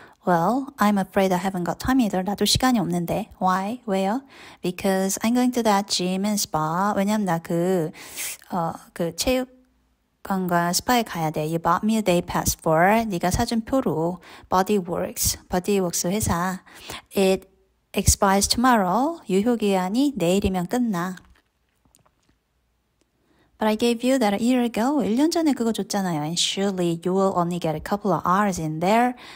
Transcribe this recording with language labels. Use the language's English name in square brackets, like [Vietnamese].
[English] Well, I'm afraid I haven't got time either. [Korean] 나도 시간이 없는데. [English] Why? [Korean] 왜요? [English] Because I'm going to that gym and spa. [Korean] 왜냐면 나 그 체육관과 스파에 가야 돼. [English] You bought me a day pass for. [Korean] 네가 사준 표로. [English] Body Works. Body Works [Korean] 회사. [English] It expires tomorrow. [Korean] 유효기한이 내일이면 끝나. [English] But I gave you that a year ago. [Korean] 1년 전에 그거 줬잖아요. [English] And surely you will only get a couple of hours in there.